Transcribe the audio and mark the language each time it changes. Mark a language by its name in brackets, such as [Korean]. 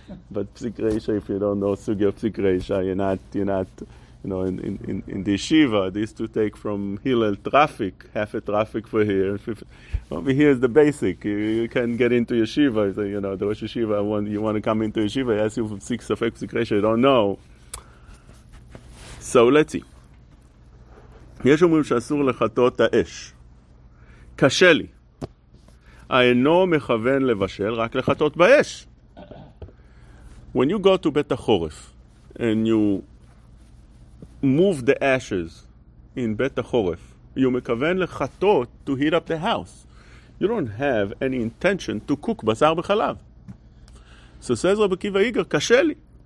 [English] But psikresha, if you don't know sugiya of psikresha, you're not in the yeshiva. This to take from Hillel traffic, half a traffic for here. Over here is the basic. You can get into yeshiva. So, you know, the Rosh Yeshiva, you want to come into yeshiva, he asks you for six of psikresha, you don't know. So let's see. [Hebrew] יש אומרים שאסור לחטות האש. קשה לי. אינו מכוון לבשל, רק לחטות באש. [English] When you go to Bet HaChoref and you move the ashes in Bet HaChoref, you mekaven lechatot to heat up the house. You don't have any intention to cook basar b'chalav. So says Rabbi Akiva Iger, kasheli.